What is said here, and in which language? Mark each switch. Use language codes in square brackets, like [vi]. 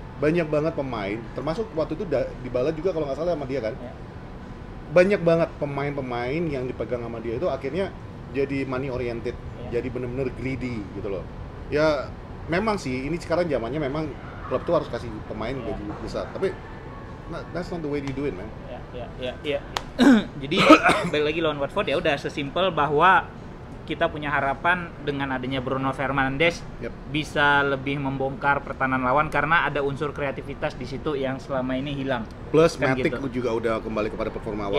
[id] Banyak banget pemain, termasuk waktu itu Dybala juga kalau nggak salah sama dia kan. Ya. Banyak banget pemain-pemain yang dipegang sama dia itu akhirnya jadi money oriented, ya. Jadi benar-benar greedy gitu loh. Ya memang sih, ini sekarang zamannya memang klub tuh harus kasih pemain gaji ya. Besar. [en] Tapi that's not the way you do it, man. [id] Ya. Jadi balik lagi lawan Watford ya udah sesimpel bahwa kita punya harapan dengan adanya Bruno Fernandes yep. bisa lebih membongkar pertahanan lawan karena ada unsur kreativitas di situ yang selama ini hilang. Plus kan Matic gitu. Juga udah kembali kepada performa awal.